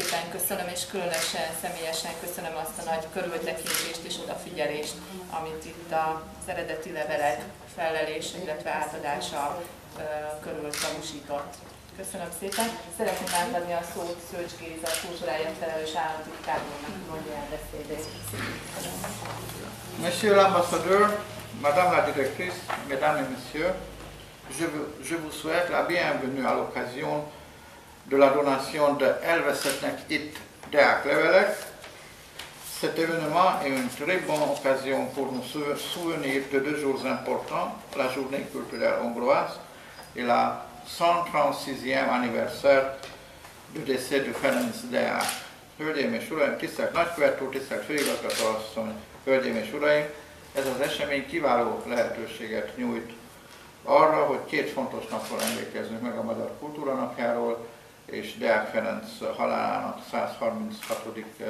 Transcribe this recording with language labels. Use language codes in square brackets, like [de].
[hu] Köszönöm, és különösen személyesen köszönöm azt a nagy körültekintést és odafigyelést, amit itt az eredeti levelek felelése, illetve átadása körül tanúsított. Köszönöm szépen. Szeretném átadni a szót Szőcs Géza, kultúrája felelős államtitkárnak, mondja el beszédét. [fr] Monsieur l'ambassadeur, madame la directrice, mesdames et messieurs, je vous souhaite la bienvenue à l'occasion de la donation de [hu] elveszettnek itt Deák levelek. [fr] Cet événement est une très bonne occasion pour nous souvenir de deux jours importants, la journée culturelle hongroise et la 136e anniversaire du décès de Ferenc Deák. [hu] Hölgyeim és uraim, tisztelt nagykövető, tisztelt főigazgató asszony, hölgyeim és uraim, ez az esemény kiváló lehetőséget nyújt arra, hogy két fontos napról emlékezzünk meg a Magyar Kultúra Napjáról, és Deák Ferenc halálának 136.